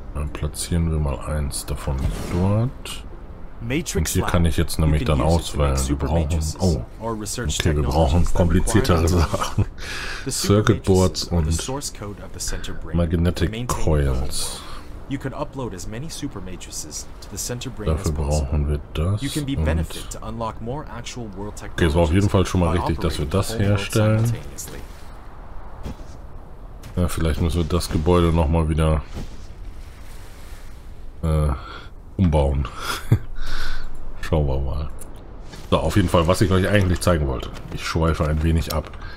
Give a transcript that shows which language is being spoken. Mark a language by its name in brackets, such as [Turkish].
[German] Dann platzieren wir mal eins davon dort. Und hier kann ich jetzt nämlich dann auswählen. Wir brauchen, oh, okay, wir brauchen kompliziertere Sachen. [English] Circuit Boards und Magnetic Coils. You can upload as many super matrices to the center brain. [German] Dafür brauchen wir das. [English] You can be benefited to unlock more actual world technologies. [German] Okay, es war auf jeden Fall schon mal richtig, dass wir das herstellen. Ja, vielleicht müssen wir das Gebäude noch mal wieder umbauen. Schauen wir mal. So, auf jeden Fall, was ich euch eigentlich zeigen wollte. Ich schweife ein wenig ab.